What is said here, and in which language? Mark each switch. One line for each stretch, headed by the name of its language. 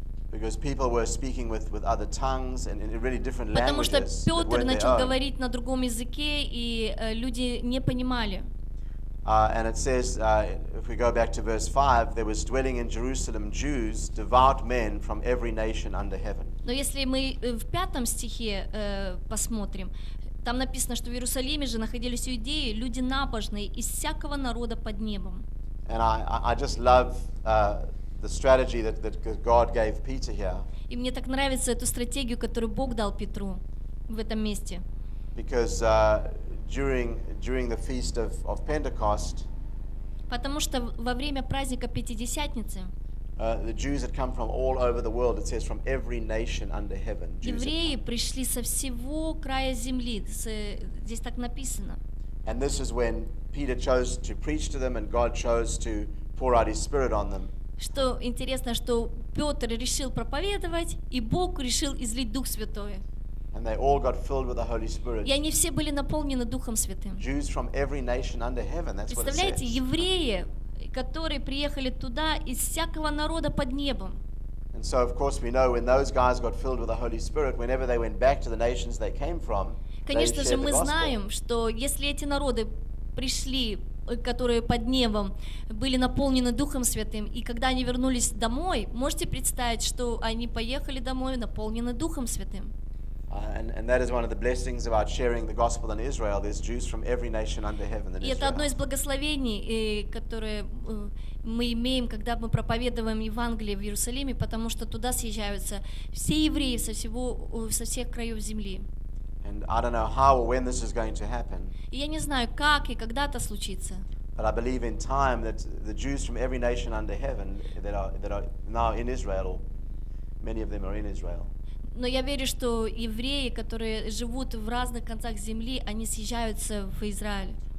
English: Because people were speaking with other tongues and in really different languages.
Russian: Потому что Петр начал говорить на другом языке, и люди не понимали.
English: And it says, if we go back to verse 5, there was dwelling in Jerusalem Jews, devout men from every nation under heaven.
Russian: Но если мы в 5 стихе посмотрим, там написано, что в Иерусалиме же находились иудеи, люди набожные из всякого народа под небом.
English: And I just love the strategy that God gave Peter here.
Russian: И мне так нравится эту стратегию, которую Бог дал Петру в этом месте.
English: Because during the feast of Pentecost.
Russian: Потому что во время праздника Пятидесятницы.
English: The Jews had come from all over the world. It says from every nation under heaven.
Russian: Евреи пришли со всего края земли. Здесь так написано.
English: And this is when Peter chose to preach to them, and God chose to pour out His Spirit on them.
Russian: Что интересно, что Петр решил проповедовать, и Бог решил излить Дух Святой.
English: And they all got filled with the Holy Spirit.
Russian: И они все были наполнены Духом Святым.
English: Jews from every nation under heaven, that's what it says.
Russian: Представляете, евреи, которые приехали туда из всякого народа под небом.
English: And so, of course, we know when those guys got filled with the Holy Spirit, whenever they went back to the nations they came from, they shared the gospel.
Russian: Конечно же, мы знаем, что если эти народы пришли, которые под небом были наполнены Духом Святым, и когда они вернулись домой, можете представить, что они поехали домой наполнены Духом Святым.
English: And that is one of the blessings about sharing the gospel in Israel. There's Jews from every nation under heaven.
Russian: И это одно из благословений, которое мы имеем, когда мы проповедуем Евангелие в Иерусалиме, потому что туда съезжаются все евреи со всех краев земли.
English: And I don't know how or when this is going to happen.
Russian: И я не знаю, как и когда это случится.
English: But I believe in time that the Jews from every nation under heaven that are now in Israel, or many of them are in Israel.
Russian: Но я верю, что евреи, которые живут в разных концах земли, они съезжаются в Израиль.